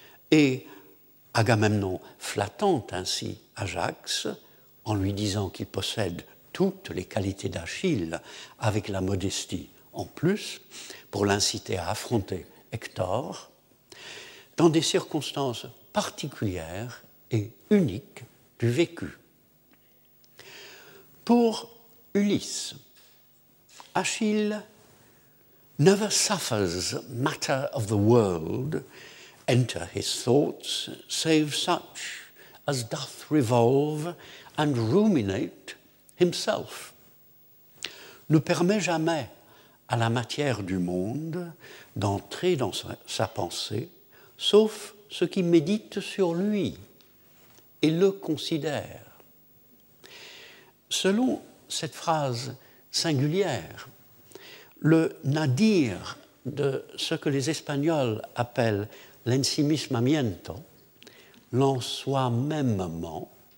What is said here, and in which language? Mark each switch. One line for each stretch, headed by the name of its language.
French: Et Agamemnon flattant ainsi Ajax en lui disant qu'il possède toutes les qualités d'Achille avec la modestie en plus pour l'inciter à affronter Hector, dans des circonstances particulières et uniques du vécu. Pour Ulysse,
English: Achille never suffers matter of the world enter his thoughts, save such as doth revolve and ruminate himself.
French: Ne permet jamais à la matière du monde d'entrer dans sa pensée, sauf ce qui médite sur lui et le considère. Selon cette phrase singulière, le nadir de ce que les Espagnols appellent l'ensimismamiento, l'en-soi-mêmement,